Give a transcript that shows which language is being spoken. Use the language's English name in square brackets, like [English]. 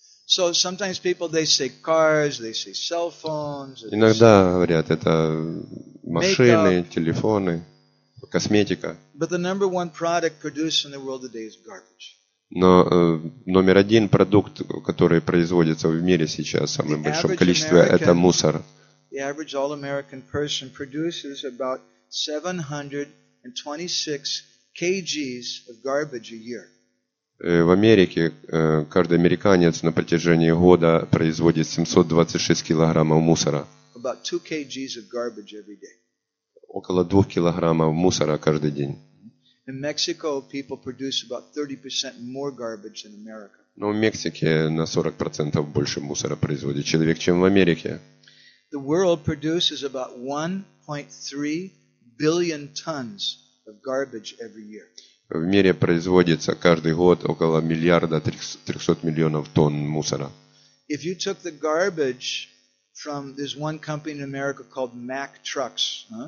[English] So sometimes people, they say cars, they say cell phones. [Russian] Иногда говорят, это машины, телефоны, косметика. [English] But the number one product produced in the world today is garbage. [Russian] Но номер один продукт, который производится в мире сейчас в самом большом количестве, это мусор. [English] The average all-American person produces about 726 kgs of garbage a year. [Russian] В Америке каждый американец на протяжении года производит 726 килограммов мусора. [English] About 2 kgs of garbage every day. [Russian] Около 2 килограммов мусора каждый день. [English] In Mexico, people produce about 30% more garbage than America. [Russian] Но в Мексике на 40% больше мусора производит человек, чем в Америке. [English] The world produces about 1.3 billion tons of garbage every year. [Russian] В мире производится каждый год около 1 300 000 000 тонн мусора. [English] If you took the garbage from this one company in America called Mack Trucks,